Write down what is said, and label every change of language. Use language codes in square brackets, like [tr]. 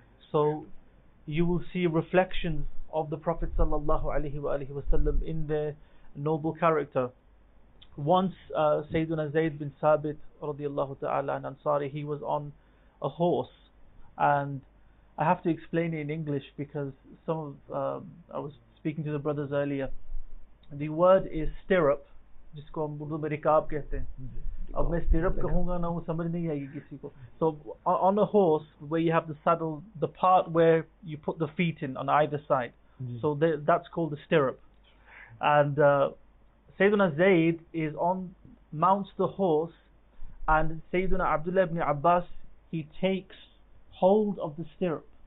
[en] So you will see reflections of the Prophet sallallahu alaihi wa alihi wasallam in their noble character. Once Sayyiduna Zayd bin Sabit radiallahu ta'ala and Ansari, he was on a horse, and I have to explain it in English because some of I was speaking to the brothers earlier. The word is stirrup, [ur] جس کو ہم Urdu میں رکاب کہتے ہیں. اب میں stirrup کہوں گا نا، وہ سمجھ نہیں آئے گی کسی کو. [en] So on a horse where you have the saddle, the part where you put the feet in on either side, so that's called the stirrup. And Sayyiduna Zayd is on, mounts the horse, and Sayyiduna Abdullah ibn Abbas, he takes hold of the stirrup.